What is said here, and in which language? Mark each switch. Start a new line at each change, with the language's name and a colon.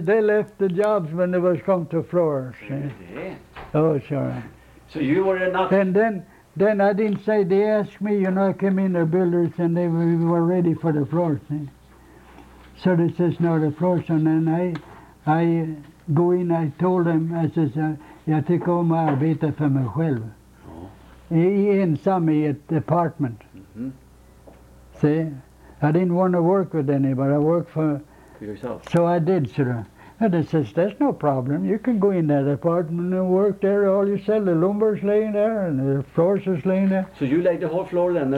English: They left the jobs when they was come to floors. Yeah. Oh sure. So you were enough. And then I didn't say they asked me, you know, I came in the builders and we were ready for the floors. See? So they says no the floors and then I go in. I told them I says
Swedish: jag tycker om att arbeta för mig själv. I ensam i ett apartment. Mm-hmm.
English: See. I didn't want to work with anybody, I worked for yourself. So I did, sir. And they says, that's no problem, you can go in that apartment and work there all yourself. The lumber's laying there and the floors is laying there. So you laid the whole floor then?